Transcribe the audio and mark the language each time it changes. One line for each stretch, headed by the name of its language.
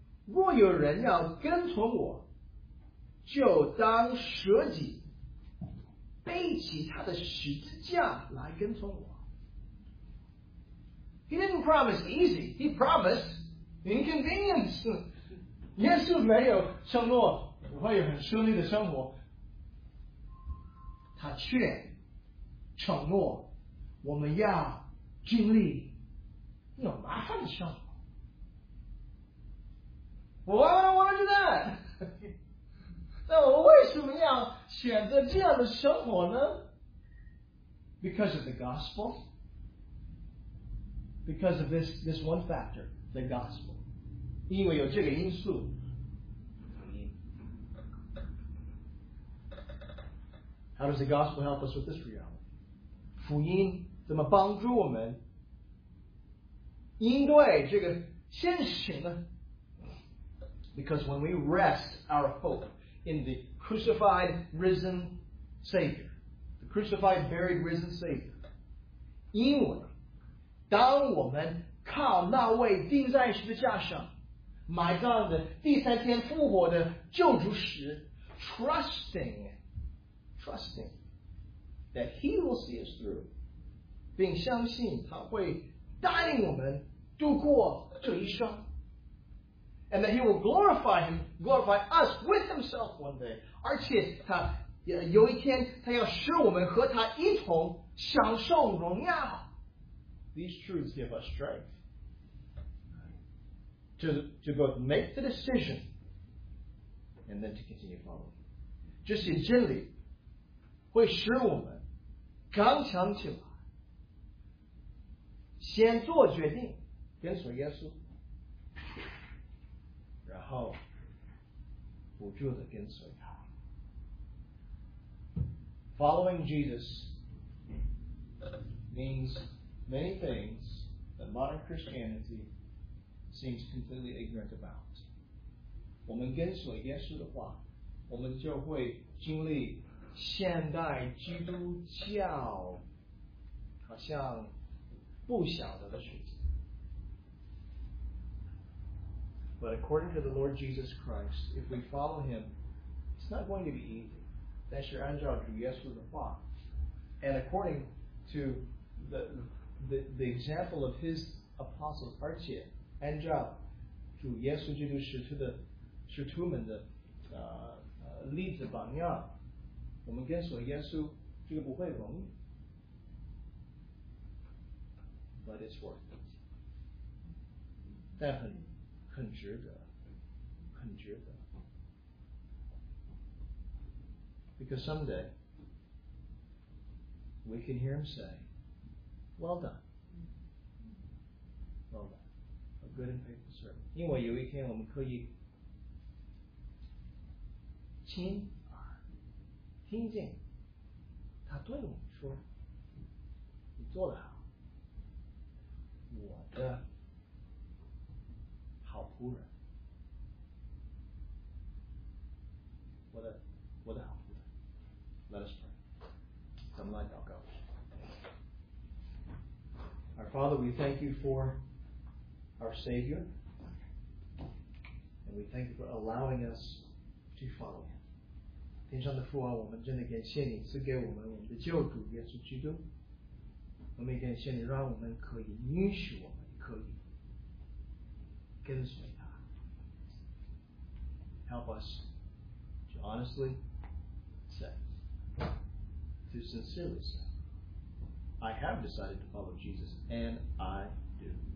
Chinese: 若有人要跟从我，就当舍己，背起他的十字架来跟从我。
English: He didn't promise easy. He promised inconvenience.
Chinese: 耶稣没有承诺我会有很顺利的生活，他却承诺我们要经历有麻烦的生活。
English: Why would I want to do that?
Chinese: 那我为什么要选择这样的生活呢？
English: Because of the gospel. Because of this one factor, the gospel.
Chinese: 因为有这个因素。
English: How does the gospel help us with this reality?
Chinese: 福音怎么帮助我们应对这个现实呢？
English: Because when we rest our hope in the crucified, risen Savior, the crucified, buried, risen Savior,
Chinese: 因为当我们靠那位钉在十字架上埋葬的第三天复活的救主时， trusting
English: that he will see us through,
Chinese: 并相信他会带领我们度过这一生，
English: and that he will glorify us with himself one day,
Chinese: 而且他有一天他要使我们和他一同享受荣耀。
English: These truths give us strength to both make the decision and then to continue following.
Chinese: 这些真理会使我们刚强起来，先做决定跟随耶稣，然后不住的跟随他。
English: Following Jesus means many things that modern Christianity seems completely ignorant about.
Chinese: 我们跟随耶稣的话，我们就会经历现代基督教好像不晓得的事情。
English: But according to the Lord Jesus Christ, if we follow him, it's not going to be easy.
Chinese: 但是按照主耶稣的话，
English: and according to the example of his apostles,
Chinese: 而且按照主耶稣基督使徒们的例子榜样，我们跟随耶稣这个不会容易，
English: but it's worth it.
Chinese: 但很值得，很值得。
English: Because someday we can hear him say, "Well done, well done, a good and faithful servant."
Chinese: 因为有一天我们可以亲耳听见他对我们说，你做得好，我的好仆人，我的好仆人。
English: Let us pray.
Chinese: 咱们来祷告。
English: Our Father, we thank you for our Savior, and we thank you for allowing us to follow him.
Chinese: 天上的父啊，我们真的感谢你赐给我们我们的救主耶稣基督，我们也感谢你让我们可以允许我们可以跟随他。
English: Help us to honestly say, to sincerely say, I have decided to follow Jesus, and I do.